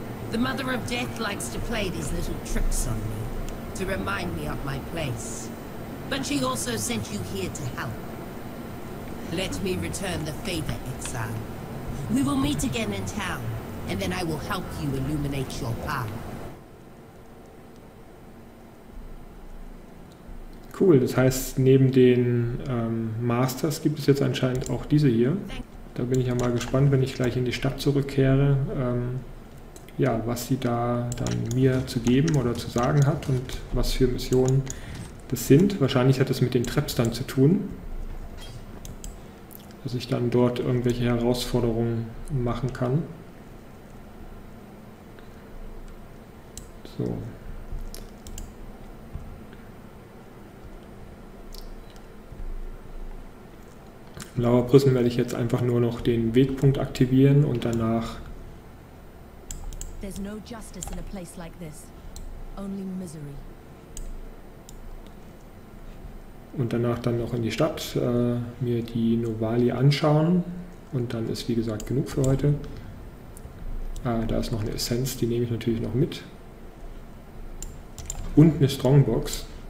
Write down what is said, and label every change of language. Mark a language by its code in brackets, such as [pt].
[en] The Mother of Death likes to play these little tricks on me, to remind me of my place. But she also sent you here to help. Let me return the favor, Exile. We will meet again in town, and then I will help you illuminate your path. [de] Cool, das heißt, neben den Masters gibt es jetzt anscheinend auch diese hier. Da bin ich ja mal gespannt, wenn ich gleich in die Stadt zurückkehre, ja, was sie da dann mir zu geben oder zu sagen hat und was für Missionen das sind. Wahrscheinlich hat das mit den Traps dann zu tun, dass ich dann dort irgendwelche Herausforderungen machen kann. So. Im Lower Prison werde ich jetzt einfach nur noch den Wegpunkt aktivieren und danach. [en] There's no justice in a place like this. Only misery. [de] Und danach dann noch in die Stadt mir die Novali anschauen. Und dann ist, wie gesagt, genug für heute. Da ist noch eine Essenz, die nehme ich natürlich noch mit. Und eine Strongbox.